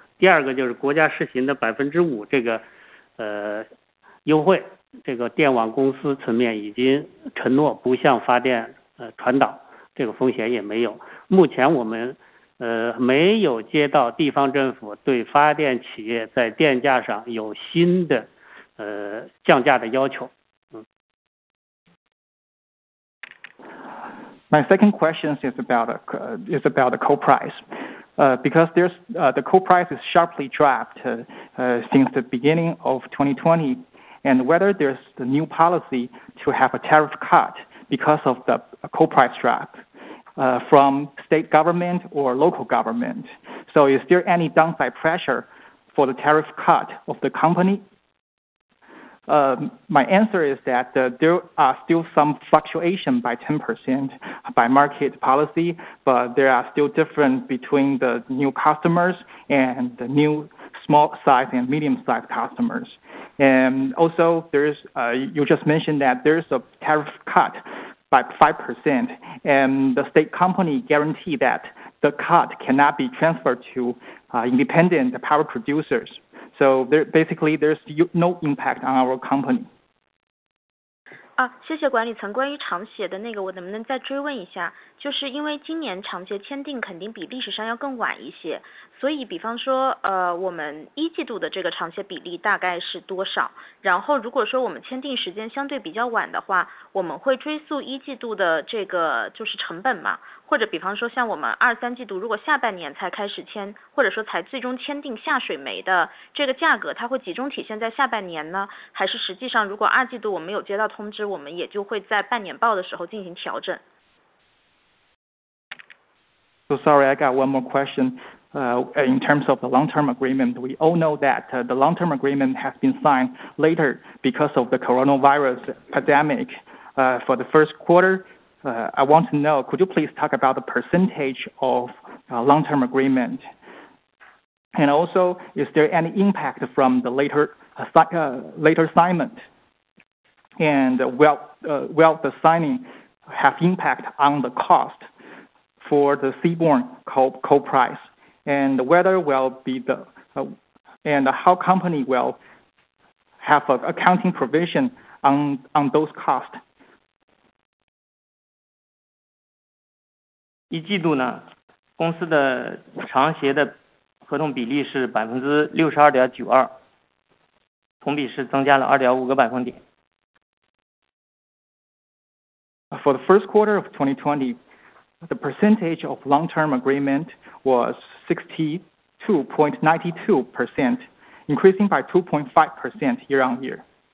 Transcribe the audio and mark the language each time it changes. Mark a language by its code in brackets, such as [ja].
[zh] 第二个就是国家实行的5%这个优惠，这个电网公司层面已经承诺不向发电传导，这个风险也没有。目前我们没有接到地方政府对发电企业在电价上有新的降价的要求。 [en] My second question is about the coal price. Because there's the coal price is sharply dropped since the beginning of 2020, and whether there's the new policy to have a tariff cut because of the coal price drop from state government or local government. So is there any downside pressure for the tariff cut of the company? My answer is that there are still some fluctuation by 10% by market policy, but there are still different between the new customers and the new small size and medium size customers. And also there's you just mentioned that there's a tariff cut by 5%, and the state company guarantee that the cut cannot be transferred to independent power producers. So there, basically, there's no impact on our company. [zh] 啊，谢谢管理层。关于长协的那个，我能不能再追问一下？就是因为今年长协签订肯定比历史上要更晚一些，所以比方说，我们一季度的这个长协比例大概是多少？然后如果说我们签订时间相对比较晚的话，我们会追溯一季度的这个就是成本嘛？或者比方说像我们二三季度如果下半年才开始签，或者说才最终签订下水煤的这个价格，它会集中体现在下半年呢？还是实际上如果二季度我们有接到通知，我们也就会在半年报的时候进行调整？ [en] So sorry, I got one more question. In terms of the long-term agreement, we all know that the long-term agreement has been signed later because of the coronavirus pandemic. For the first quarter,I want to know, could you please talk about the percentage of long-term agreement? And also, is there any impact from the later assignment? And will the signing have impact on the cost for the seaborne coal price? And whether will be the, and how company will have an accounting provision on those costs? [zh] 一季度呢，公司的长协的合同比例是62.92%，同比是增加了2.5个百分点。 [en] For the first quarter of 2020, the percentage of long-term agreement was 62.92%, increasing by 2.5% year on year.